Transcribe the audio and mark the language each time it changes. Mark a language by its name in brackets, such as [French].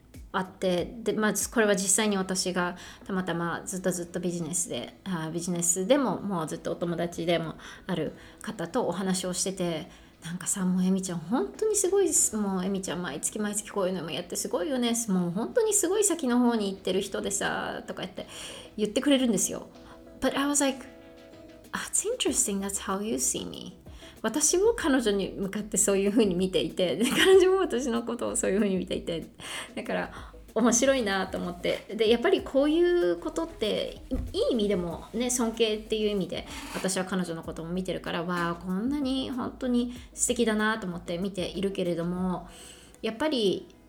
[Japanese] あって、で、まあ、これは実際に私がたまたまずっとビジネスで、ビジネスでももうずっとお友達でもある方とお話をしてて、なんかさ、もうエミちゃん本当にすごいです、もうエミちゃん毎月こういうのもやってすごいよね、もう本当にすごい先の方に行ってる人でさ、とか言ってくれるんですよ。 [English] But I was like, that's interesting, that's how you see me。 [Japanese] 私も彼女に向かってそういう風に見ていて、で彼女も私のことをそういう風に見ていて、だから面白いなと思って、でやっぱりこういうことっていい意味でもね、尊敬っていう意味で私は彼女のことも見てるから、わあこんなに本当に素敵だなと思って見ているけれども、やっぱり、